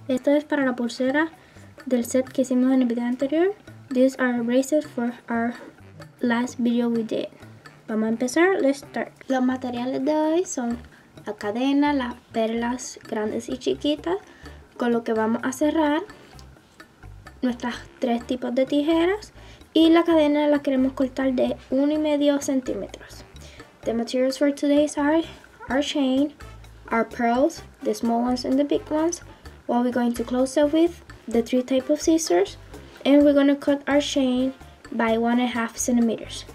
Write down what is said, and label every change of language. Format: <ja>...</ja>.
<es>Esto es para la pulsera del set que hicimos en el video anterior.</es> <en>These are bracelets for our last video we did.</en> <es>Vamos a empezar.</es> <en>Let's start.</en> <es>Los materiales de hoy son la cadena, las perlas grandes y chiquitas, con lo que vamos a cerrar nuestras tres tipos de tijeras, y la cadena la queremos cortar de 1.5 centímetros.</es> <en>The materials for today are our chain, our pearls, the small ones and the big ones, what we're going to close it with, the three type of scissors, and we're going to cut our chain by 1.5 centimeters.</en>